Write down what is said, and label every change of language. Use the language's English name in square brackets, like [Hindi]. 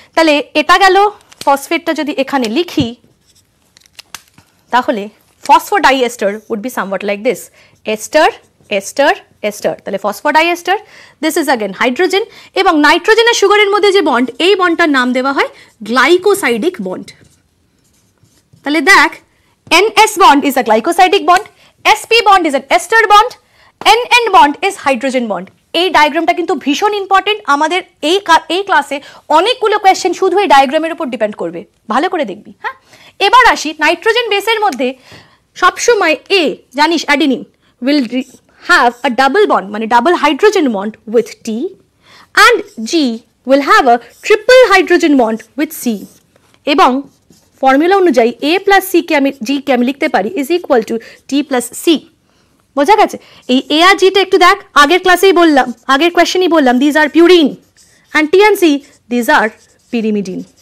[Bangla] তাহলে এটা গেল, ফসফেটটা যদি এখানে লিখি তাহলে [English] phosphodiester would be somewhat like this, [Bangla] ester ester ester, তাহলে phosphodiester, [English] this is again hydrogen, [Bangla] এবং নাইট্রোজেনের সুগারের মধ্যে যে বন্ড, এই বন্ডটার নাম দেওয়া হয় গ্লাইকোসাইডিক বন্ড, তাহলে দেখ [English] N S bond is a glycosidic bond, S P bond is a ester bond, N N bond is hydrogen bond. [Bangla] এই ডায়াগ্রামটা কিন্তু ভীষণ ইম্পর্টেন্ট আমাদের এই এই ক্লাসে, অনেকগুলো কোয়েশ্চেন শুধু এই ডায়াগ্রামের উপর ডিপেন্ড করবে, ভালো করে দেখবি। হ্যাঁ এবার আসি নাইট্রোজেন বেসের মধ্যে, সবসময় এ জানিস adenine will [English] have a double bond, [Bangla] মানে [English] double hydrogen bond with T, and G will have a triple hydrogen bond with C. [Bangla] এবং ফর্মুলা অনুযায়ী A প্লাস সি কে আমি জি কে আমি লিখতে পারি [English] Is equal to T plus C. [Bangla] বোঝা গেছে? এই এ আর জিটা একটু দেখ, আগের ক্লাসেই বললাম, আগের কোয়েশ্চেনই বললাম, [English] These are purine, and T and C these are pyrimidine.